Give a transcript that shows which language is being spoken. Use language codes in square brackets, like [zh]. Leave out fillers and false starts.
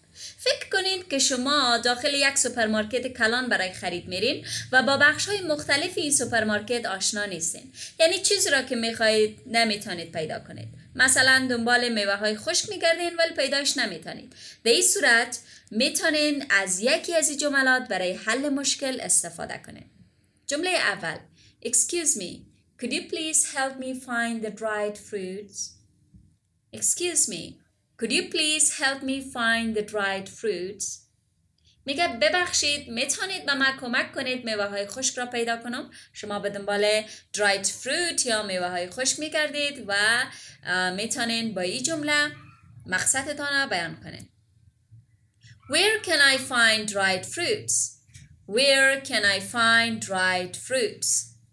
[fa] فکر کنید که شما داخل یک سوپرمارکت کلان برای خرید میرین و با بخش های مختلف این سوپرمارکت آشنا نیستین، یعنی چیزی را که میخواهید نمیتونید پیدا کنید. مثلا دنبال میوه های خشک میگردین ولی پیداش نمیتونید. در این صورت میتونین از یکی از این جملات برای حل مشکل استفاده کنید. جمله اول: [en] Excuse me, could you please help me find the dried fruits? Excuse me, could you please help me find the dried fruits? [fa] میگه ببخشید، میتونید به من کمک کنید میوه های خشک را پیدا کنم؟ شما به دنبال dried fruit یا میوه های خشک میگردید و میتونید با این جمله مقصدتان را بیان کنید. [en] Where can I find dried fruits? Where can I find dried fruits?